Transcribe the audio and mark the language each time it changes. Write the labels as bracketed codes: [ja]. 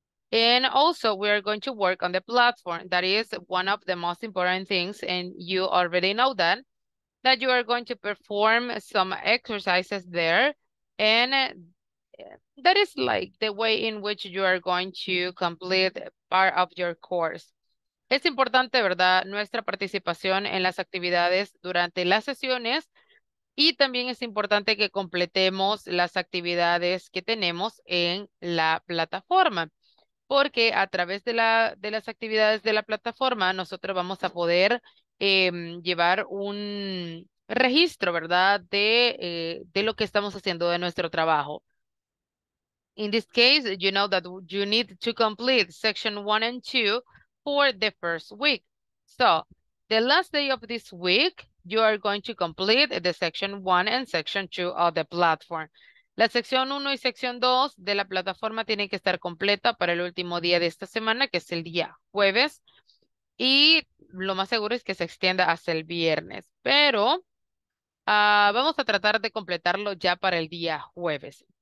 [en] And also, we are going to work on the platform. That is one of the most important things, and you already know that, that you are going to perform some exercises there. And that is like the way in which you are going to complete part of your course. [es] Es importante, ¿verdad?, nuestra participación en las actividades durante las sesiones y también es importante que completemos las actividades que tenemos en la plataforma, porque a través de las actividades de la plataforma nosotros vamos a poder llevar un registro, ¿verdad?, de lo que estamos haciendo de nuestro trabajo. [en] In this case, you know that you need to complete section 1 and 2 for the first week. So the last day of this week, you are going to complete the section 1 and section 2 of the platform. [es] La sección 1 y sección 2 de la plataforma tienen que estar completa para el último día de esta semana, que es el día jueves. Y lo más seguro es que se extienda hasta el viernes. Pero vamos a tratar de completarlo ya para el día jueves.